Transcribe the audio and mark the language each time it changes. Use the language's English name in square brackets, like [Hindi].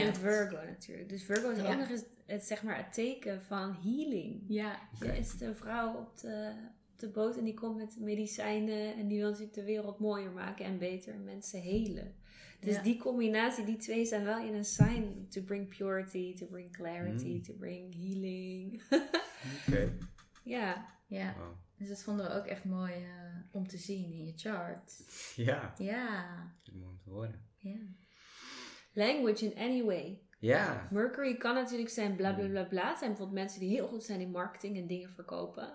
[Dutch] En in Virgo natuurlijk. Dus Virgo is ook nog eens het, zeg maar, het teken van healing. Ja. Okay. Er is een vrouw op de boot en die komt met medicijnen. En die wil natuurlijk de wereld mooier maken en beter. En mensen helen. Dus die combinatie, die twee zijn wel in een sign. [English] To bring purity, to bring clarity, to bring healing. [Dutch] Okay. Ja. Ja. Wow. Dus dat vonden we ook echt mooi om te zien in je chart. Ja. Ja. Mooi om te horen. Ja. [English] Language in any way. [Dutch] Ja. Mercury kan natuurlijk zijn bla bla bla bla. Het zijn bijvoorbeeld mensen die heel goed zijn in marketing en dingen verkopen.